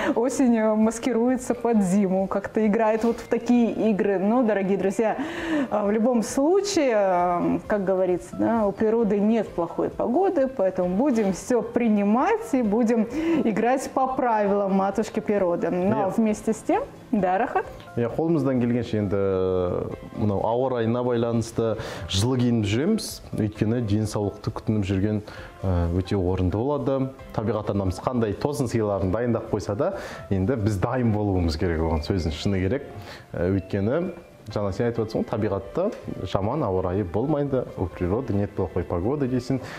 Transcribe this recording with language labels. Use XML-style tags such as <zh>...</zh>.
<ru>Осень маскируется под зиму, как-то играет вот в такие игры. Но, дорогие друзья, в любом случае, как говорится, да, у природы нет плохой погоды, поэтому будем все принимать и будем играть по правилам матушки природы. Но вместе с тем, да, Рахат?</ru> <kk>Я қолымыздан келгенше енді мынау ауа райына байланысты жылы киініп жүреміз. Өйткені денсаулықты күтініп жүрген өте орынды болады. Табиғат анамыз қандай тосын сыйларын дайындап қойса да, енді біз дайын болуымыз керек оған, сөздің шыны керек. Өйткені жаңа сен айтып отырсың, табиғатта жаман ауа райы болмайды.</kk> <ru>У природы нет плохой погоды</ru> <kk>дейсің.</kk>